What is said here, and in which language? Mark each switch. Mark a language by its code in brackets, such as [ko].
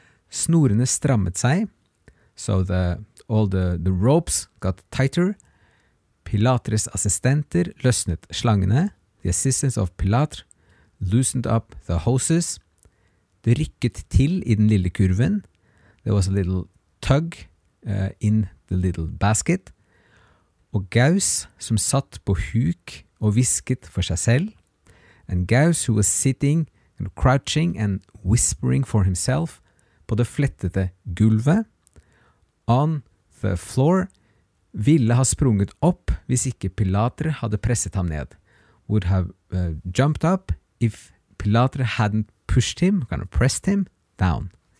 [no] Snorene strammet seg, [en] so all the ropes got tighter. [no] Pilatres assistenter løsnet slangene. [en] The assistants of Pilater loosened up the hoses. [no] Det rykket til I den lille kurven. [en] There was a little tug in the little basket. [no] Og Gauss, som satt på huk og visket for seg selv. [en] And Gauss, who was sitting and crouching and whispering for himself, [no] på det flettete gulvet, [en] on the floor, [no] ville ha sprunget opp hvis ikke Pilater hadde presset ham ned, [en] would have jumped up if Pilater hadn't pushed him, kind of pressed him, down.